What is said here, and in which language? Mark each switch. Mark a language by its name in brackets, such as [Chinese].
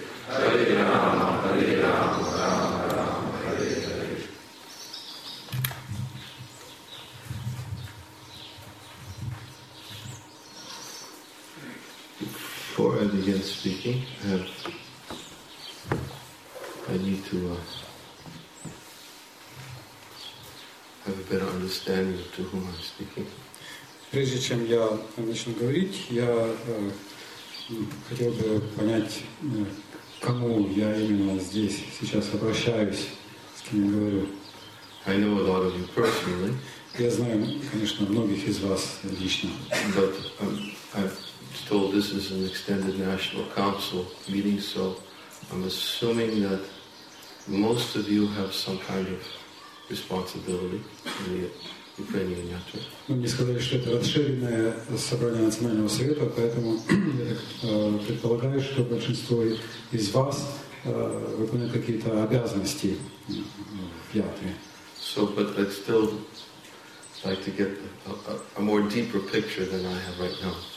[Sanskrit] Hare Hare Rama Hare Rama Rama Rama Hare Hare [English] Before I begin speaking I need to have a better understanding of to whom I'm speaking. [Russian] Прежде чем я начну говорить, я хотел бы понять, кому я именно здесь сейчас обращаюсь, с кем я говорю. [English] I know a lot of you personally. [Russian] Я знаю, конечно, многих из вас лично. [English] But I've told this is an extended national council meeting, so I'm assuming that most of you have some kind of responsibility in the Ukrainian matter. [Russian] Мы не сказали, что это расширенное собрание национального совета, поэтому предполагаю, что большинство из вас выполняют какие-то обязанности в Ятре. [English] So, but I'd still like to get a more deeper picture than I have right now.